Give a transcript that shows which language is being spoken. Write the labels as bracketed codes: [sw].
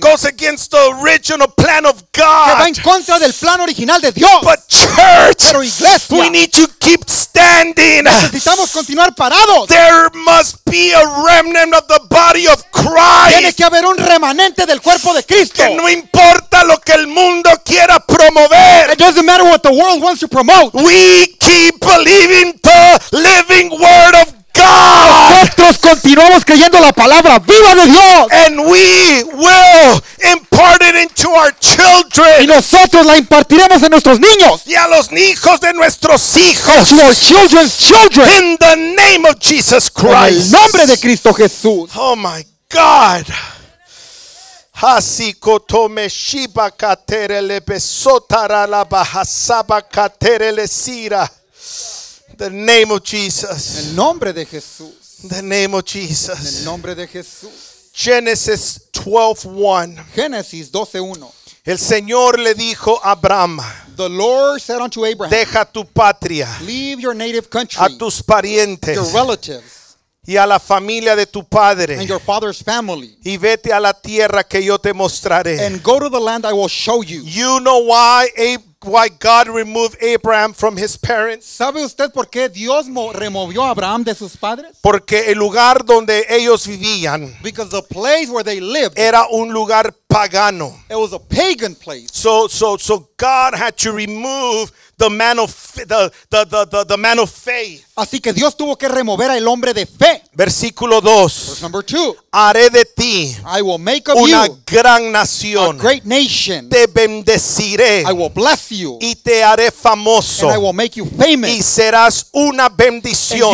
[en] that goes against the original plan of God. [es] Que va en contra del plan original de Dios. [en] But church, [es] pero iglesia, [en] we need to keep standing. [es] Necesitamos continuar parados. [en] There must be a remnant of the body of Christ. [es] Tiene que haber un remanente del cuerpo de Cristo. Que no importa lo que el mundo quiera promover. [en] It doesn't matter what the world wants to promote. We keep believing the living word of God. [es] Nosotros continuamos creyendo la palabra viva de Dios. [en] And we will impart it into our children. [es] Y nosotros la impartiremos a nuestros niños. Y a los hijos de nuestros hijos. [en] To our children's children. In the name of Jesus Christ. [es] En el nombre de Cristo Jesús. [en] Oh my God. Hasikotome shiba katerele besotara la bahasaba katerele sira. The name of Jesus. [es] El nombre de Jesús. [en] The name of Jesus. [es] El nombre de Jesús. [en] Genesis 12:1. [es] Génesis 12:1. El Señor le dijo a Abraham. [en] The Lord said unto Abraham. [es] Deja tu patria. [en] Leave your native country. [es] A tus parientes. [en] Your relatives. [es] Y a la familia de tu padre. [en] And your father's family. [es] Y vete a la tierra que yo te mostraré. [en] And go to the land I will show you. You know why why God removed Abraham from his parents? [es] ¿Sabe usted por qué Dios removió a Abraham de sus padres? Porque el lugar donde ellos vivían, [en] because the place where they lived, [es] era un lugar pagano. [en] It was a pagan place. So God had to remove the man of faith. [es] Así que Dios tuvo que remover al hombre de fe. Versículo 2. [en] Verse number 2. [es] Haré de ti, [en] I will make of [es] una [en] you [es] gran nación, [en] a great nation. [es] Te bendeciré, [en] I will bless you. [es] Y te haré famoso, [en] and I will make you famous. [es] Y serás una bendición,